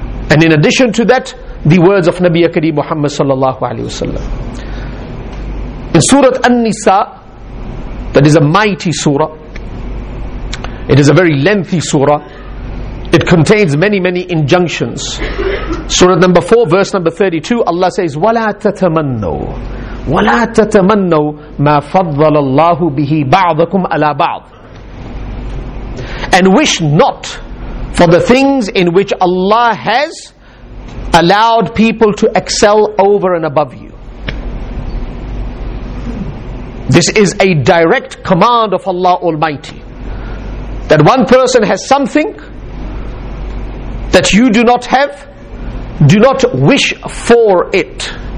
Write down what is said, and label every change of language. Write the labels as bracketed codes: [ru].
[en] And in addition to that, the words of Nabi Kareem Muhammad sallallahu alaihi wasallam. In Surah An-Nisa, that is a mighty surah, it is a very lengthy surah, it contains many, many injunctions. Surah number 4, verse number 32, Allah says, [ar] وَلَا تَتَمَنَّوْا مَا فَضَّلَ اللَّهُ بِهِ بَعْضَكُمْ عَلَىٰ بَعْضٍ. [en] And wish not for the things in which Allah has allowed people to excel over and above you. This is a direct command of Allah Almighty. That one person has something that you do not have, do not wish for it.